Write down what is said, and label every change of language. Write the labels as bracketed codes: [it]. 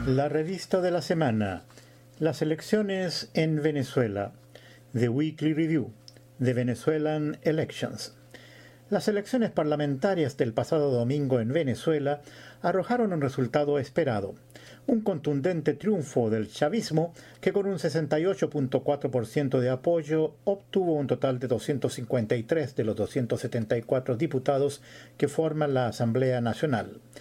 [es] Revista de la semana, las elecciones en Venezuela. [en] The Weekly Review, The Venezuelan Elections. [es] Las elecciones parlamentarias del pasado domingo en Venezuela arrojaron un resultado esperado, un contundente triunfo del chavismo que con un 68.4% de apoyo obtuvo un total de 253 de los 274 diputados que forman la Asamblea Nacional.